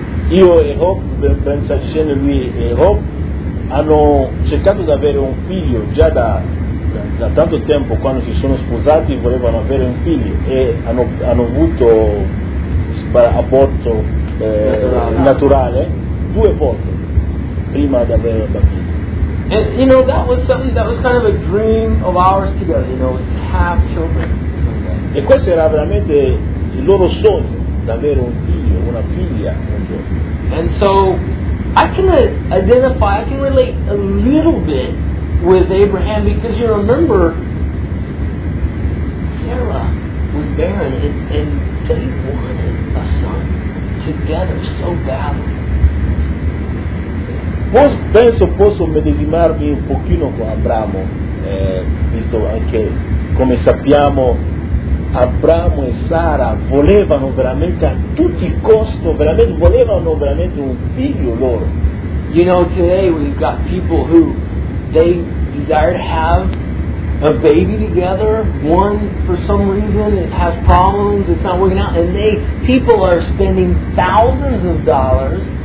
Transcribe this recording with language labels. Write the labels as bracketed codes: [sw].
[it] Io e Hope, pensa dicendo lui e Hope, hanno cercato di avere un figlio già da tanto tempo, quando si sono sposati volevano avere un figlio e hanno avuto aborto naturale due volte prima di avere un bambino. [en] And you know, that was something that was kind of a dream of ours together, you know, to have children. [it] E questo era veramente il loro sogno, d'avere un figlio, una figlia. [en] And so I can identify, I can relate a little bit with Abraham, because you remember Sarah was barren and they wanted a son together so badly. [it] penso posso medesimarmi un pochino con Abramo, visto anche come sappiamo Abramo e Sara volevano veramente a tutti i costi, veramente volevano veramente un figlio loro. [en] You know, today we've got people who they desire to have a baby together, one for some reason it has problems, it's not working out, and people are spending thousands of dollars.